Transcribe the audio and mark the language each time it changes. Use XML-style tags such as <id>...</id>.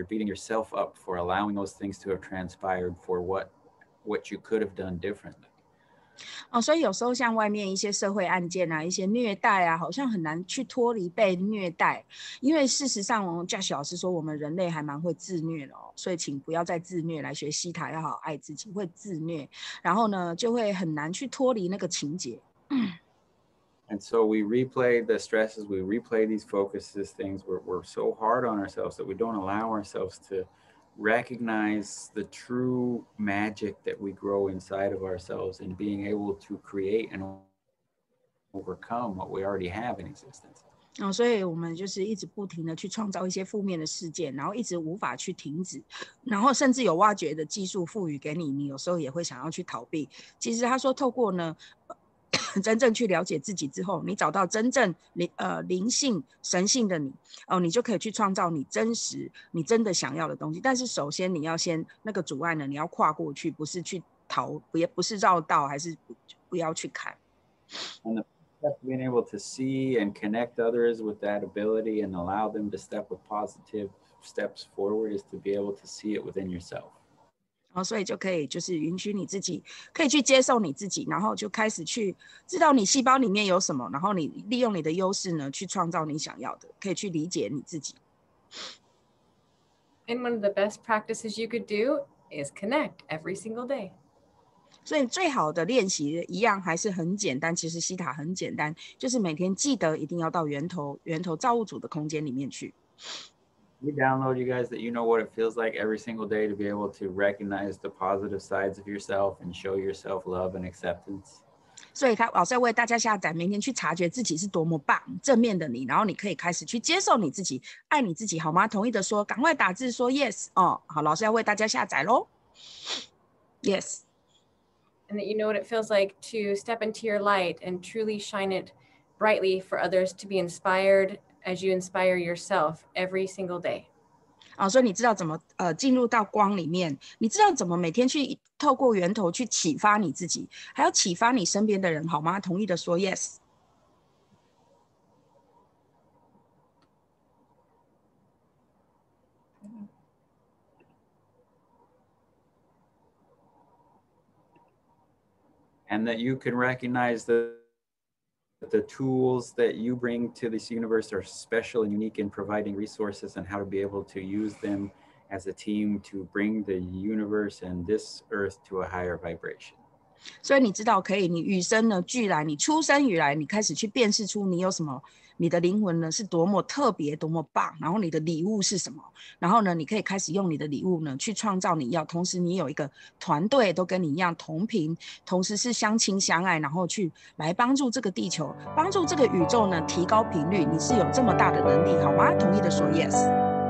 <en>You're beating yourself up for allowing those things to have transpired for what you could have done differently.</en> <zh>所以有时候像外面一些社会案件啊，一些虐待啊，好像很难去脱离被虐待。因为事实上Josh老师说我们人类还蛮会自虐的哦，所以请不要再自虐，来学西塔要好爱自己，会自虐。然后呢，就会很难去脱离那个情节。</zh> <en>And so we replay the stresses, we replay these focuses, things we're so hard on ourselves that we don't allow ourselves to recognize the true magic that we grow inside of ourselves and being able to create and overcome what we already have in existence.</en> <zh>所以我们就是一直不停的去创造一些负面的事件，然后一直无法去停止，然后甚至有挖掘的技术赋予给你，你有时候也会想要去逃避。其实他说透过呢真正去了解自己之后，你找到真正灵性神性的你你就可以去创造你真实你真的想要的东西。但是首先你要先那个阻碍呢，你要跨过去，不是去逃，不是绕道，还是 不要去看。</zh> <en>And the process of being able to see and connect others with that ability and allow them to step with positive steps forward is to be able to see it within yourself.</en> <zh>所以就可以就是允许你自己可以去接受你自己，然后就开始去知道你细胞里面有什么，然后你利用你的优势呢去创造你想要的，可以去理解你自己。</zh> <en>And one of the best practices you could do is connect every single day.</en> <zh>所以最好的练习一样还是很简单，其实西塔很简单，就是每天记得一定要到源头造物主的空间里面去。</zh> <en>We download you guys that you know what it feels like every single day to be able to recognize the positive sides of yourself and show yourself love and acceptance.</en> <zh>所以他老师要为大家下载，明天去察觉自己是多么棒，正面的你，然后你可以开始去接受你自己，爱你自己，好吗？同意的说，赶快打字说 yes 哦。好，老师要为大家下载喽。</zh> <en>Yes. And that you know what it feels like to step into your light and truly shine it brightly for others to be inspired as you inspire yourself every single day.</en> <zh>哦，所以你知道怎么进入到光里面，你知道怎么每天去透过源头去启发你自己，还要启发你身边的人，好吗？同意的说 yes。</zh> <en>And that you can recognize the tools that you bring to this universe are special and unique in providing resources and how to be able to use them as a team to bring the universe and this earth to a higher vibration.</en> <zh>所以你知道可以，你与生呢俱来，你出生以来，你开始去辨识出你有什么，你的灵魂呢是多么特别，多么棒，然后你的礼物是什么，然后呢你可以开始用你的礼物呢去创造你要，同时你有一个团队都跟你一样同频，同时是相亲相爱，然后去来帮助这个地球，帮助这个宇宙呢提高频率，你是有这么大的能力，好吗？同意的说 yes。</zh>